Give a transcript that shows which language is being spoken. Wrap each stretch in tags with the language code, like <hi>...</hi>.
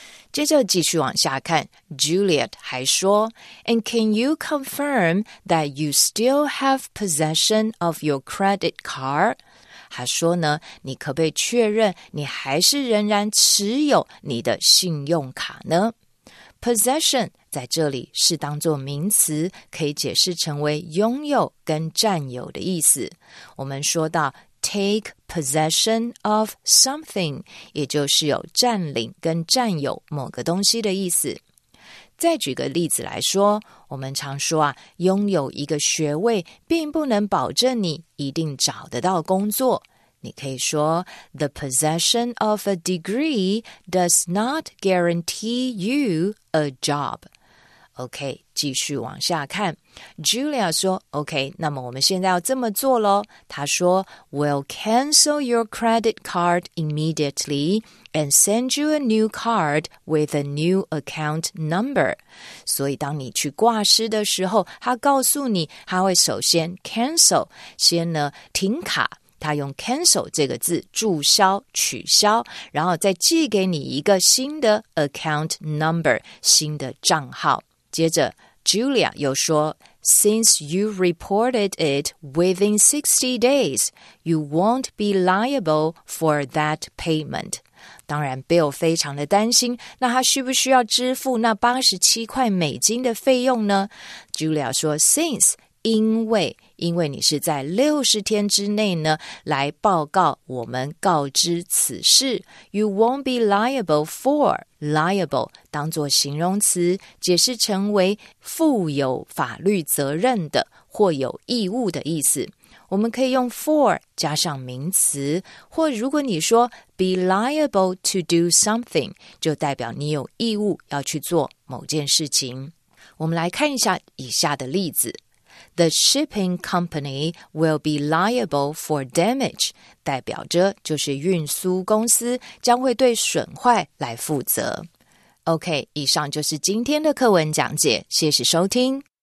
<zh>接着继续往下看，</zh> <en>Juliet</en> <zh>还说</zh> <en>And can you confirm that you still have possession of your credit card?</en> <zh>他说呢，你可不可以确认你还是仍然持有你的信用卡呢？ Possession 在这里是当作名词，可以解释成为拥有跟占有的意思。我们说到</zh> <en>Take possession of something,</en> <zh>也就是有占领跟占有某个东西的意思。再举个例子来说，我们常说啊，拥有一个学位并不能保证你一定找得到工作。你可以说</zh> <en>The possession of a degree does not guarantee you a job.</en> <zh>OK, 继续往下看。Julia 说 OK, 那么我们现在要这么做咯。她说</zh> <en>We'll cancel your credit card immediately and send you a new card with a new account number.</en> <zh>所以当你去挂失的时候，她告诉你她会首先 cancel, 先呢停卡。他用 cancel 这个字注销、取消，然后再寄给你一个新的 account number, 新的账号。接着</zh> <en>Julia</en> <zh>又说</zh> <en>Since you reported it within 60 days, you won't be liable for that payment.</en> <zh>当然 Bill 非常的担心，那他需不需要支付那87块美金的费用呢？ Julia 说 Since, 因为你是在60天之内呢来报告我们告知此事，</zh> <en>You won't be liable for,</en> <zh>liable 当作形容词，解释成为负有法律责任的或有义务的意思。我们可以用 for 加上名词，或如果你说</zh> <en>be liable to do something,</en> <zh>就代表你有义务要去做某件事情。我们来看一下以下的例子。</zh> <en>the shipping company will be liable for damage.</en> <zh>代表着就是运输公司将会对损坏来负责。 OK, 以上就是今天的课文讲解，谢谢收听。</zh>